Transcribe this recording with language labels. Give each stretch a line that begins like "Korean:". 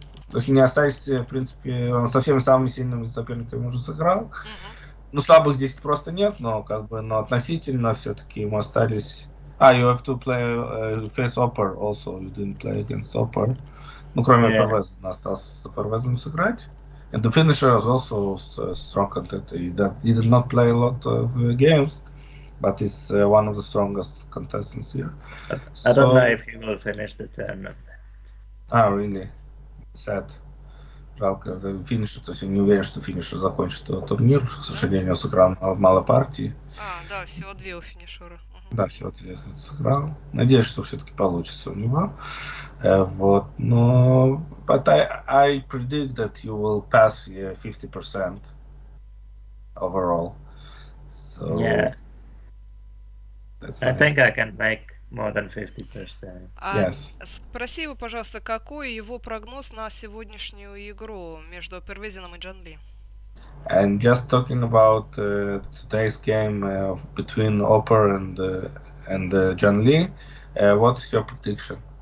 Russian: То есть не остались, в принципе, со всеми самыми сильными соперниками уже сыграл. Mm-hmm. Ну, слабых здесь просто нет, но как бы, но относительно все-таки ему остались.
English: А, you have to play face Opper also, you didn't play against Opper.
Russian: Ну, кроме Парвеза, yeah. Остался с Парвезом сыграть.
English: And the finisher was also strong contender. He did not play a lot of games, but he's one of the strongest contestants here. I don't know if he will finish the tournament. Ah, really? Сад.
Russian: Жалко, это финишер, то есть я не уверен, что финишер закончит турнир, к сожалению, сыграл мало партий. А, да, всего 2 у финишера. Угу. Да, всего 2 сыграл. Надеюсь, что все-таки получится у него. Вот, но...
English: But I predict that you will pass 50% overall. So, yeah. I think I can make more than 50%. Yes.
Russian: Спроси его, пожалуйста, какой его прогноз на сегодняшнюю игру между Первезином и Джанли?
English: And just talking about today's game between Opper and Джанли, what's your prediction?